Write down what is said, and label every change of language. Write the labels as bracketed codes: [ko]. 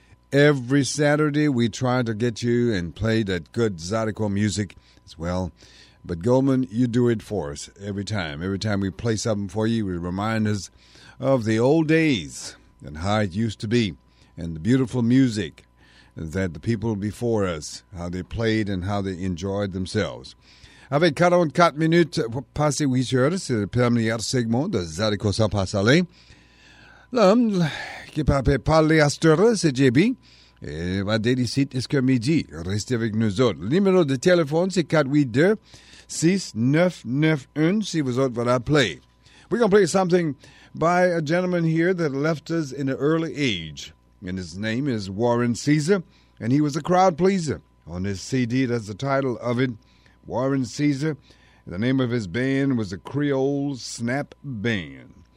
[en] Every Saturday we try to get you and play that good Zydeco music as well. But Goldman, you do it for us every time. Every time we play something for you, we remind us of the old days and how it used to be and the beautiful music that the people before us, how they played and how they enjoyed themselves. [fr] Avec 44 minutes passé 8 heures, c'est le premier segment de Zydeco sans passer. L'homme qui peut parler à cette heure, c'est JB. Et va délicite jusqu'à midi. Restez avec nous autres. Le numéro de téléphone, c'est 482-6991, si vous autres voulez appeler. [en] We're going to play something by a gentleman here that left us in an early age. And his name is Warren Caesar, and he was a crowd pleaser. On his CD, that's the title of it, Warren Caesar. The name of his band was the Creole Snap Band.